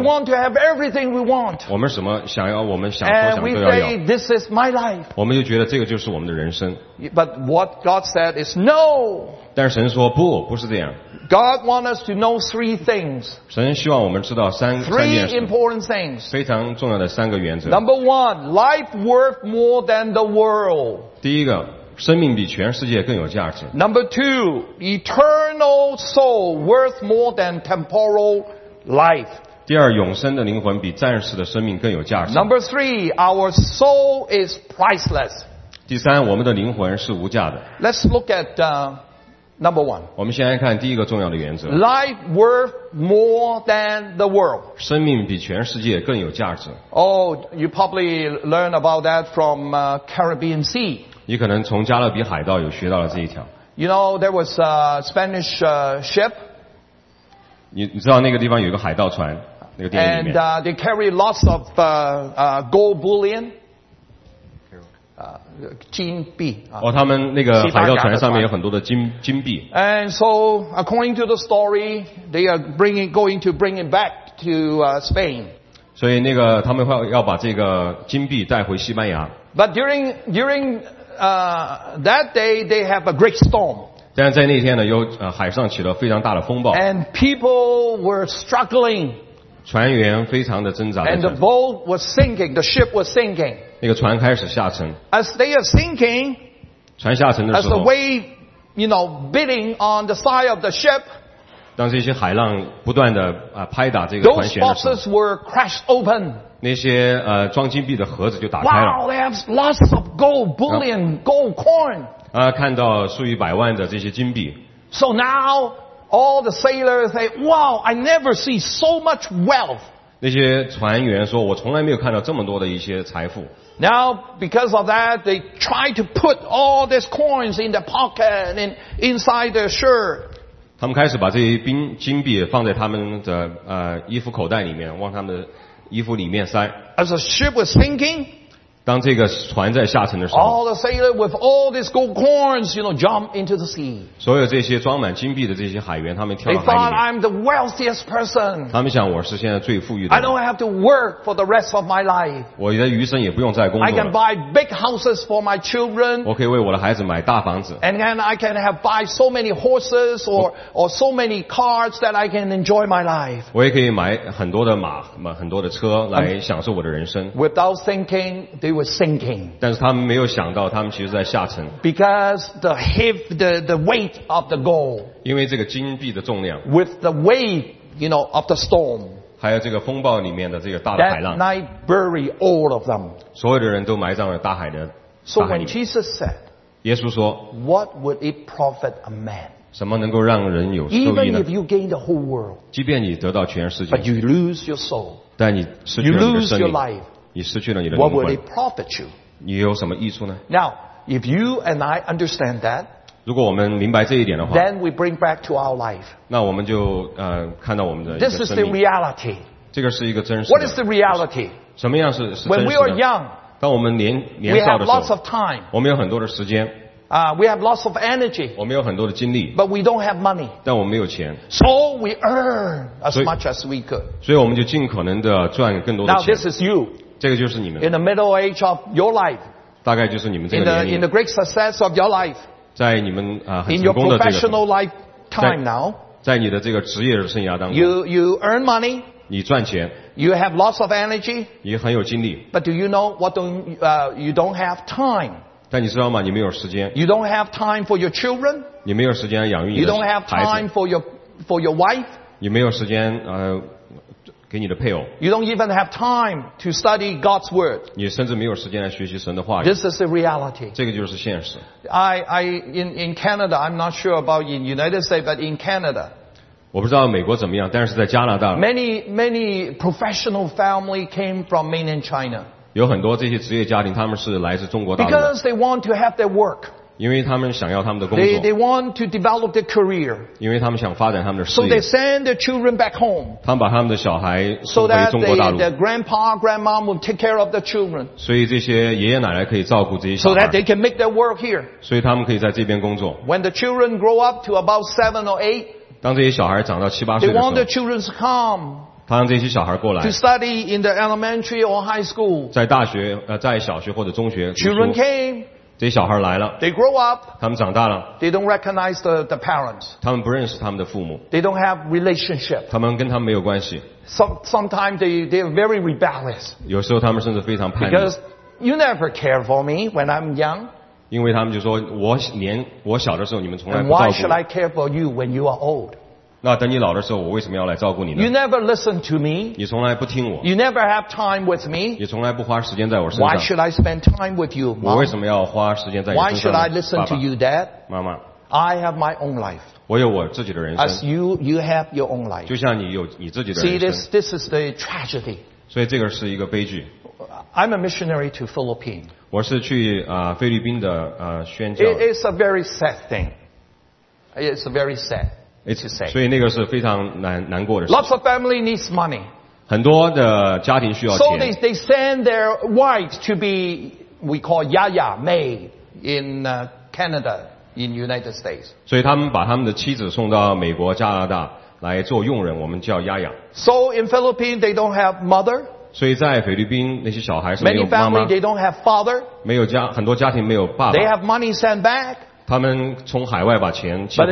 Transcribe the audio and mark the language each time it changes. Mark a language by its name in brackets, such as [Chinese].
[English] We want to have everything we want. [Chinese] 我们什么想要，我们想多想都要要。 [English] And we say, this is my life. [Chinese] 我们就觉得这个就是我们的人生。 [English] But what God said is no. [Chinese] 但是神说不，不是这样。 [English] God wants us to know three things. [Chinese] 神希望我们知道三件事。 [English] Three important things. [Chinese] 非常重要的三个原则。 [English] Number one, life worth more than the world. [Chinese] 第一个。生命比全世界更有价值。 [English] Number two, eternal soul worth more than temporal life. [Chinese] 第二，永生的灵魂比暂时的生命更有价值。 [English] Number three, our soul is priceless. [Chinese] 第三，我们的灵魂是无价的。 [English] Let's look at number one. [Chinese] 我们先来看第一个重要的原则。 [English] Life worth more than the world. [Chinese] 生命比全世界更有价值。 [English] Oh, you probably learn about that from Caribbean Sea. [Chinese] 你可能从加勒比海盗有学到了这一条。 [English] You know, there was a Spanish ship. [Chinese] 你知道那个地方有一个海盗船，那个电影里面。 [English] And they carry lots of gold bullion. [Chinese] 金币。哦，他们那个海盗船上面有很多的金币。 [English] And so, according to the story, they are going to bring it back to Spain. [Chinese] 所以那个他们要把这个金币带回西班牙。 [English] But during that day they have a great storm. [Chinese] 但在那天呢，有海上起了非常大的风暴。 [English] And people were struggling. [Chinese] 船员非常的挣扎。 [English] And the boat was sinking. The ship was sinking. [Chinese] 那个船开始下沉。 [English] As they are sinking, [Chinese] 船下沉的时候。 [English] As the wave, you know, beating on the side of the ship. [Chinese] 当这些海浪不断的拍打这个船舷的时候。 [English] Those boxes were crashed open. [Chinese] 那些装金币的盒子就打开了。 [English] Wow, they have lots of gold, bullion, gold coin. [Chinese] 看到数以百万的这些金币。 [English] So now all the sailors say, "Wow, I never see so much wealth." [Chinese] 那些船员说，我从来没有看到这么多的一些财富。 [English] Now because of that, they try to put all these coins in the pocket and inside their shirt. [Chinese] 他们开始把这些金币放在他们的衣服口袋里面，往他们的衣服里面塞。 [English] As the ship was sinking, [Chinese] 当这个船在下沉的时候， [English] all the sailors with all these gold coins, you know, jump into the sea. [Chinese] 所有这些装满金币的这些海员，他们跳到海里。 [English] They thought I'm the wealthiest person. [Chinese] 他们想我是现在最富裕的。 [English] I don't have to work for the rest of my life. [Chinese] 我的余生也不用再工作了。 [English] I can buy big houses for my children. [Chinese] 我可以为我的孩子买大房子。 [English] And then I can have buy so many horses or so many cars that I can enjoy my life. [Chinese] 我也可以买很多的马，很多的车来享受我的人生。 [English] Without thinking. They were sinking. [Chinese] 但是他们没有想到，他们其实在下沉。 [English] Because the heavy, the weight of the gold. [Chinese] 因为这个金币的重量。 [English] With the wave, you know, of the storm. [Chinese] 还有这个风暴里面的这个大的海浪。 [English] That night buried all of them. [Chinese] 所有的人都埋葬了大海的。 [English] So when Jesus said, [Chinese] 耶稣说 [English] What would it profit a man? [Chinese] 什么能够让人有受益呢 [English] Even if you gain the whole world, [Chinese] 即便你得到全世界 [English] But you lose your soul, [Chinese] 但你失去了你的生命 [English] You lose your life, [Chinese] 你失去了你的灵魂 [English] What would it profit you? [Chinese] 你有什么益处呢 [English] Now, if you and I understand that, [Chinese] 如果我们明白这一点的话 [English] Then we bring back to our life. [Chinese] 那我们就看到我们的一个生命 [English] This is the reality. [Chinese] 这个是一个真实的 [English] What is the reality? [Chinese] 什么样是真实的 [English] When we are young, [Chinese] 当我们 年少的时候 [English] we have lots of time, [Chinese] 我们有很多的时间、 [English] we have lots of energy, [Chinese] 我们有很多的精力 [English] but we don't have money, [Chinese] 但我们没有钱 [English] so we earn as much as we could. [Chinese] 所以我们就尽可能的赚更多的钱 [English] Now, this is you, [Chinese] 这个就是你们 [English] in the middle age of your life, [Chinese] 大概就是你们这个年龄 [English] in the great success of your life, [Chinese] 在你们、 [English] in your professional life time now, [Chinese] 在你的这个职业的生涯当中 [English] you earn money, [Chinese] 你赚钱 [English] you have lots of energy, [Chinese] 你很有精力 [English] but do you know what you don't have time [Chinese] 但你知道吗你没有时间 [English] you don't have time for your children [Chinese] 你没有时间养育你的孩子 [English] you don't have time for your wife [Chinese] 你没有时间、给你的配偶 [English] you don't even have time to study God's word [Chinese] 你甚至没有时间来学习神的话语 [English] this is the reality [Chinese] 这个就是现实 [English] in Canada I'm not sure about in United States but in Canada [Chinese] 我不知道美国怎么样，但是在加拿大 [English] ，many professional family came from mainland China。 [Chinese] 有很多这些职业家庭，他们是来自中国大陆的。 [English] Because they want to have their work。 [Chinese] 因为他们想要他们的工作。 [English] They want to develop their career。 [Chinese] 因为他们想发展他们的事业。 [English] So they send their children back home。 [Chinese] 他们把他们的小孩送回中国大陆。 [English] So that their grandpa, grandma will take care of the children。 [Chinese] 所以这些爷爷奶奶可以照顾这些小孩。 [English] So that they can make their work here。 [Chinese] 所以他们可以在这边工作。 [English] When the children grow up to about 7 or 8。 [Chinese] 当这些小孩长到七八岁的时候 [English] They want the children to come [Chinese] 他让这些小孩过来 [English] to study in the elementary or high school [Chinese] 在大学在小学或者中学 [English] children came [Chinese] 这些小孩来了 [English] they grow up [Chinese] 他们长大了 [English] they don't recognize the parents [Chinese] 他们不认识他们的父母 [English] they don't have relationship [Chinese] 他们跟他们没有关系 [English] sometimes they are very rebellious [Chinese] 有时候他们甚至非常叛逆 [English] because you never care for me when I'm young [Chinese] 因为他们就说 我小的时候你们从来不照顾我 [English] Why should I care for you when you are old? [Chinese] 那等你老的时候我为什么要来照顾你呢 [English] You never listen to me [Chinese] 你从来不听我 [English] You never have time with me [Chinese] 你从来不花时间在我身上 [English] Why should I spend time with you, mom? [Chinese] 我为什么要花时间在你身上 [English] Why should I listen to you, dad? [Chinese] 妈妈 [English] I have my own life [Chinese] 我有我自己的人生 [English] As you have your own life [Chinese] 就像你有你自己的人生 [English] See, this is the tragedy [Chinese] 所以这个是一个悲剧 [English] I'm a missionary to Philippines [Chinese] 我是去、菲律宾的、宣教。 [English] It's a very sad thing. It's very sad. [Chinese] So 那个是非常 难过的事。 [English] Lots of family needs money. [Chinese] 很多的家庭需要钱。 [English] So they send their wives to be, we call yaya, maid, in Canada, in United States. [Chinese] 所以他们把他们的妻子送到美国、加拿大来做佣人，我们叫yaya。 [English] So in Philippines, they don't have mother. [Chinese] 所以在菲律宾那些小孩是没有妈妈 [English] Many family, they don't have father, [Chinese] 没有家很多家庭没有爸爸 [English] they have money sent back, [Chinese] 他们从海外把钱寄回来